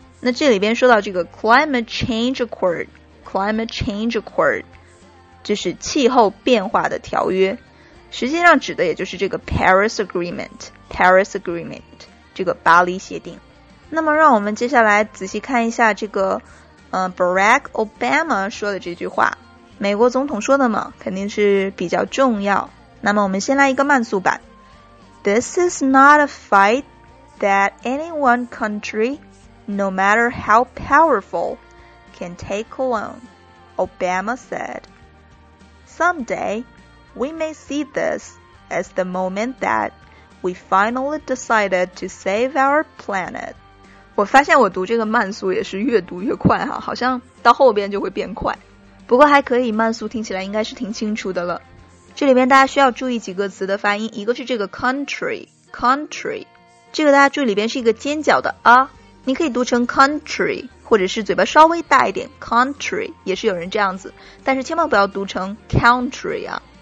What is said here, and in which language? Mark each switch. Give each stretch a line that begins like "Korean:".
Chinese: 那这里边说到这个 climate change accord 就是气候变化的条约，实际上指的也就是这个 Paris Agreement 这个巴黎协定。那么让我们接下来仔细看一下这个Barack Obama 说的这句话，美国总统说的嘛，肯定是比较重要。那么我们先来一个慢速版。
English: This is not a fight that any one country, no matter how powerful, can take alone, Obama said. Someday, we may see this as the moment that we finally decided to save our planet.
Chinese: 我发现我读这个慢速也是越读越快哈，好像到后边就会变快。不过还可以，慢速听起来应该是挺清楚的了。这里边大家需要注意几个词的发音，一个是这个 country， 这个大家注意里边是一个尖角的啊，你可以读成 country， 或者是嘴巴稍微大一点 country， 也是有人这样子，但是千万不要读成 country 啊。